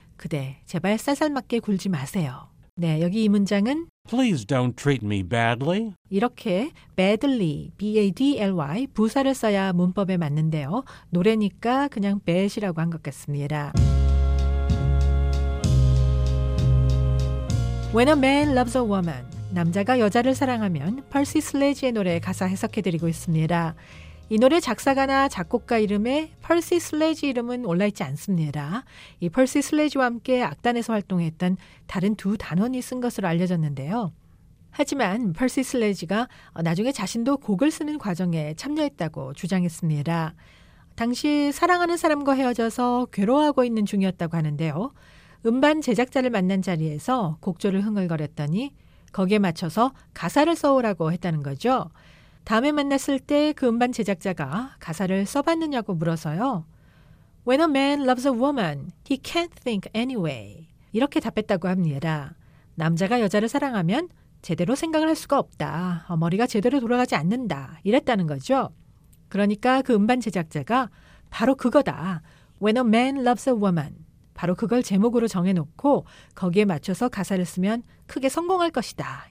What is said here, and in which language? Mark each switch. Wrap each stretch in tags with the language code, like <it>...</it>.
<ko>그대, 제발 쌀쌀맞게 굴지 마세요. 네, 여기 이 문장은</ko> <en>Please don't treat me badly.</en> <ko>이렇게 badly, B-A-D-L-Y, 부사를 써야 문법에 맞는데요. 노래니까 그냥 bad이라고 한 것 같습니다. When a man loves a woman, 남자가 여자를 사랑하면 Percy Sledge의 노래 가사 해석해드리고 있습니다. 이 노래 작사가나 작곡가 이름에 펄시 슬레지 이름은 올라있지 않습니다. 이 펄시 슬레지와 함께 악단에서 활동했던 다른 두 단원이 쓴 것으로 알려졌는데요. 하지만 펄시 슬레지가 나중에 자신도 곡을 쓰는 과정에 참여했다고 주장했습니다. 당시 사랑하는 사람과 헤어져서 괴로워하고 있는 중이었다고 하는데요. 음반 제작자를 만난 자리에서 곡조를 흥얼거렸더니 거기에 맞춰서 가사를 써오라고 했다는 거죠. 다음에 만났을 때 그 음반 제작자가 가사를 써봤느냐고 물어서요.</ko> <en>When a man loves a woman, he can't think anyway.</en> <ko>이렇게 답했다고 합니다. 남자가 여자를 사랑하면 제대로 생각을 할 수가 없다. 머리가 제대로 돌아가지 않는다. 이랬다는 거죠. 그러니까 그 음반 제작자가 바로 그거다.</ko> <en>When a man loves a woman.</en> <ko>바로 그걸 제목으로 정해놓고 거기에 맞춰서 가사를 쓰면 크게 성공할 것이다.</ko>